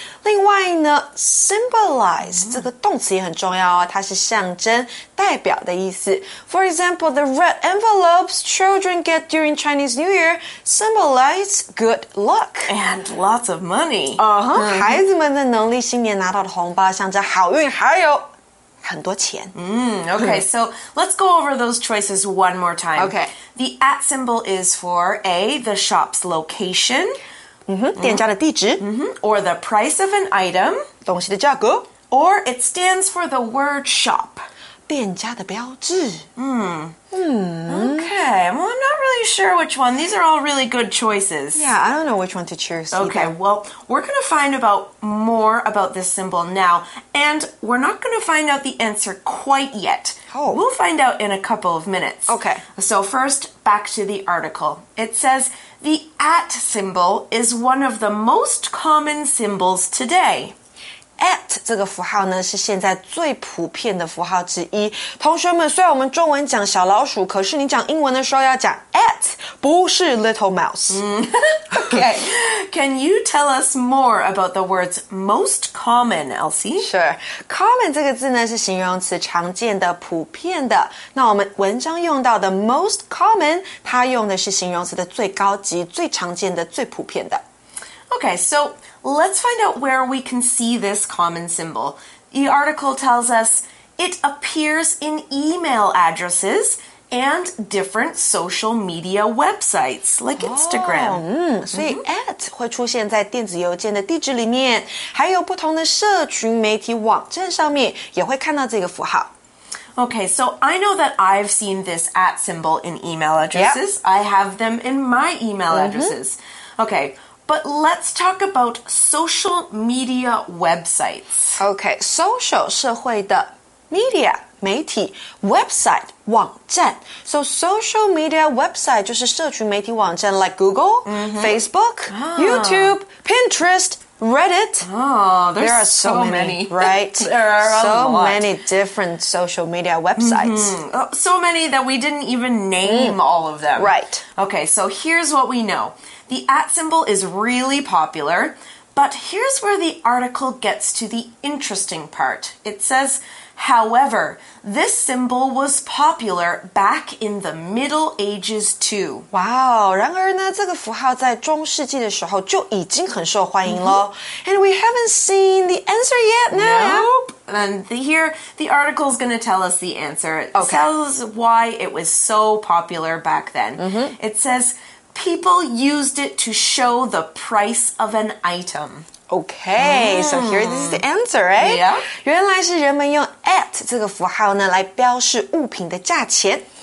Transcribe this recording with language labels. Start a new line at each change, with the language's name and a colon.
Chinese: 另外呢 symbolize 这个动词也很重要啊，它是象征代表的意思。
English: For example, the red envelopes children get during Chinese New Year symbolize good luck. And lots of money. Uh-huh.
Chinese: 孩子们在农历新年拿到的红包象征好运还有很多钱。
English: Okay, so let's go over those choices one more time. Okay. The at symbol is for A, the shop's location.
Chinese: Mm-hmm, 店家的地址。
English: Mm-hmm, or the price of an item.
Chinese: 东西的价格。
English: Or it stands for the word shop.
Chinese: 店家的标志。
English: Okay, well, I'm not really sure which one. These are all really good choices. Yeah, I don't know which one to choose. Okay, well, we're going to find out more about this symbol now. And we're not going to find out the answer quite yet. Oh. We'll find out in a couple of minutes. Okay. So first, back to the article. It says, the at symbol is one of the most common symbols today.
Chinese: At 这个符号呢是现在最普遍的符号之一。同学们，虽然我们中文讲小老鼠，可是你讲英文的时候要讲 at， 不是
English: little mouse。 Okay, can you tell us more about the words most common, Elsie? Sure.
Chinese: Common 这个字呢是形容词，常见的、普遍的。那我们文章用到的 most common， 它用的是形容词的最高级、最常见的、最普遍的。
English: Okay, so let's find out where we can see this common symbol. The article tells us it appears in email addresses and different social media websites, like Instagram.
Chinese: Oh, so at 会出现在电子邮件的地址里面，还有不同的社群媒体网站上面也会看到这个符号。
English: Okay, so I know that I've seen this at symbol in email addresses. Yep. I have them in my email addresses. Okay. But let's talk about social media websites. Okay, social,
Chinese: 社会的
English: media,
Chinese: 媒体
English: website,
Chinese: 网站
English: So social media website
Chinese: 就是社群媒体网站
English: like Google,、 mm-hmm. Facebook,、 ah. YouTube, Pinterest, Reddit. Oh, there are so many, right? There are a lot. So many different social media websites.、 Mm-hmm. So many that we didn't even name all of them. Right. Okay, so here's what we know. The at symbol is really popular, but here's where the article gets to the interesting part. It says, however, this symbol was popular back in the Middle Ages too.
Chinese: Wow, 然而呢这个符号在中世纪的时候就已经很受欢迎了。 Mm-hmm.
English: And we haven't seen the answer yet now. Nope. And here, the article is going to tell us the answer. It、 okay. tells why it was so popular back then.、 Mm-hmm. It says... People used it to show the price of an item. Okay, so here is the answer, right? Yeah.
Chinese: 原来是人们用 at 这个符号呢来标示物品的价钱。